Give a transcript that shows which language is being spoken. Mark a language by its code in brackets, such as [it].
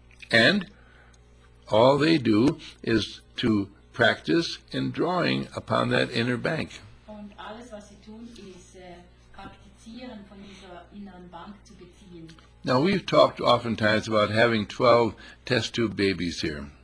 [en] And all they do is to practice in drawing upon that inner bank. [de] Und alles, was sie tun, ist praktizieren von dieser inneren Bank zu beziehen. [en] Now we've talked oftentimes about having 12 test tube babies here.